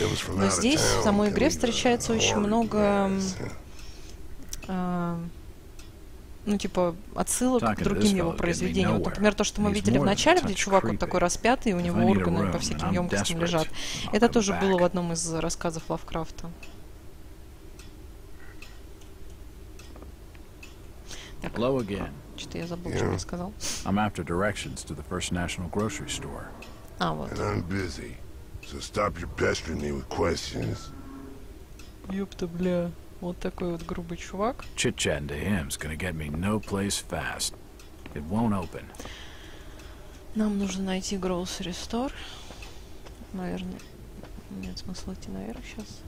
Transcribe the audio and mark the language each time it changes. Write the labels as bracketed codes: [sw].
[ru] Но здесь в самой игре встречается очень много, ну типа, отсылок к другим его произведениям. Вот, например, то, что мы видели в начале, где чувак, он такой распятый, и у него органы по всяким емкостям лежат. Это тоже было в одном из рассказов Лавкрафта. [en] Так, hello again. [ru] Что-то я забыл, что я сказал. [en] I'm after directions to the First National Grocery Store. [ru] А, вот. [en] And I'm busy, so stop your pestering me with questions. [ru] Ёпта, бля. Вот такой вот грубый чувак. [en] Chit-chatting to him is gonna get me no place fast. It won't open. [ru] Нам нужно найти [en] grocery store. [ru] Наверное, нет смысла идти наверх сейчас.